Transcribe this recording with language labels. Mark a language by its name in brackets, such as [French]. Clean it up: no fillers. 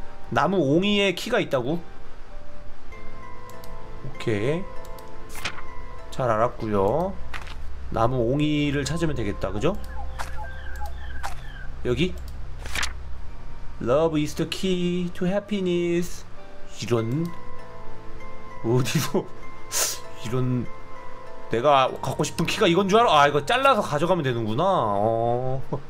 [Korean] 나무 옹이에 키가 있다고? 오케이, 잘 알았구요. 나무 옹이를 찾으면 되겠다, 그죠? 여기? [English] Love is the key to happiness. [Korean] 이런, 어디서 이런, 내가 갖고 싶은 키가 이건 줄 알아? 아, 이거 잘라서 가져가면 되는구나. 어.